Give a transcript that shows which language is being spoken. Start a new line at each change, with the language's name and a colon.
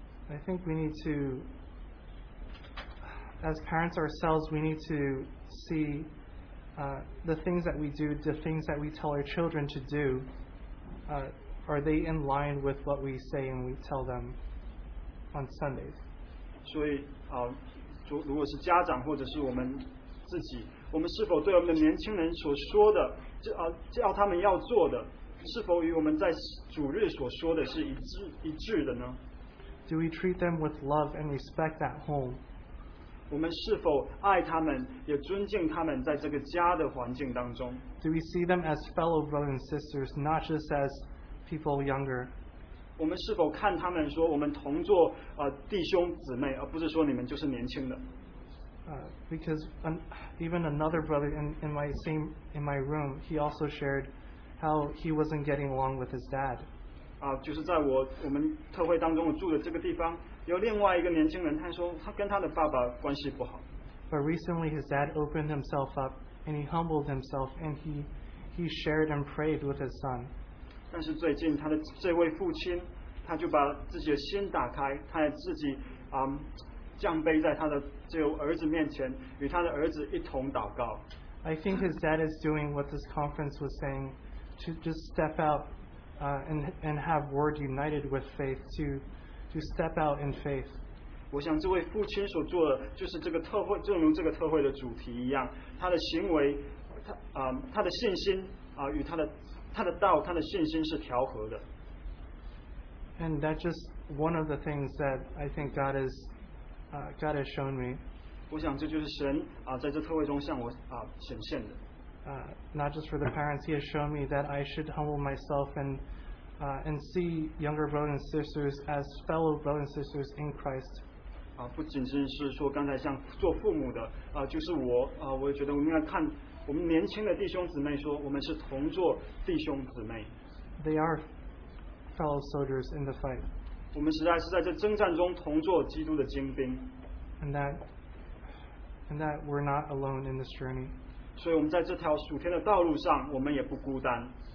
English: I think we need to, as parents ourselves, we need to see the things that we do, the things that we tell our children to do, are they in line with what we say and we tell them on Sundays?
Chinese: 所以, 如果是家长或者是我们自己, 我们是否对我们的年轻人所说的, 叫他们要做的, 是否与我们在主日所说的是一致的呢?
English: Do we treat them with love and respect at home?
Chinese: 我们是否爱他们, 也尊敬他们在这个家的环境当中?
English: Do we see them as fellow brothers and sisters, not just as people younger?
Chinese: 我们是否看他们说我们同坐, 弟兄姊妹, 而不是说你们就是年轻的?
English: Because even another brother in my room, he also shared how he wasn't getting along with his dad.
Chinese: 就是在我们特会当中住的这个地方, 有另外一个年轻人他说他跟他的爸爸关系不好。
English: But recently his dad opened himself up and he humbled himself and he shared and prayed with his son.
Chinese: 但是最近他的这位父亲, 他就把自己的心打开, 他也自己, 降卑在他的这个儿子面前, 与他的儿子一同祷告。
English: I think his dad is doing what this conference was saying, to just step out and have word united with faith, to step out in faith.
Chinese: 我想这位父亲所做的就是这个特会, 正如这个特会的主题一样, 他的行为, 他的信心, 与他的 他的道,他的信心是调和的。
English: And that's just one of the things that I think God has shown me.
Chinese: 我想这就是神, 在这特会中向我, 显现的。
English: Not just for the parents, he has shown me that I should humble myself and see younger brothers and sisters as fellow brothers and sisters in Christ.
Chinese: 不仅仅是说刚才像做父母的, 就是我, 我觉得我们要看, 我们年轻的弟兄姊妹说, 我们是同坐弟兄姊妹。
English: They are fellow soldiers in the fight.
Chinese: 我们实在是在这征战中同坐基督的精兵。
English: And that we're not alone in this journey.
Chinese: 所以我们在这条属天的道路上, 我们也不孤单。